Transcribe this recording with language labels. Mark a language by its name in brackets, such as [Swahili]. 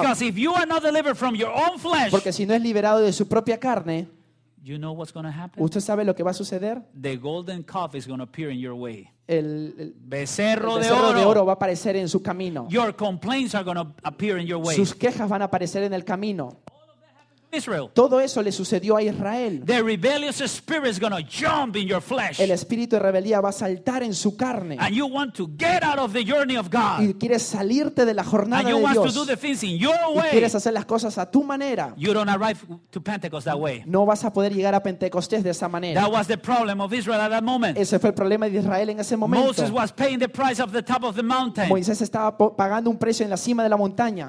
[English] Because if you are not delivered from your own flesh, [Spanish] porque si no es liberado de su propia carne, [English] you know what's going to happen? [Spanish] ¿Usted sabe lo que va a suceder? [English] The golden calf is going to appear in your way. [Spanish] El becerro de oro va a aparecer en su camino. [English] Your complaints are going to appear in your way. [Spanish] Sus quejas van a aparecer en el camino. [English] Israel. [Spanish] Todo eso le sucedió a Israel. [English] The rebellious spirit is going to jump in your flesh. [Spanish] El espíritu de rebeldía va a saltar en su carne. [English] And you want to get out of the journey of God. [Spanish] Y quieres salirte de la jornada de Dios. [English] And you want to do the things in your way. [Spanish] Y quieres hacer las cosas a tu manera. [English] You don't arrive to Pentecost that way. [Spanish] No vas a poder llegar a Pentecostés de esa manera. [English] That was the problem of Israel at that moment. [Spanish] Ese fue el problema de Israel en ese momento. [English] Moses was paying the price of the top of the mountain. [Spanish] Moisés estaba pagando un precio en la cima de la montaña.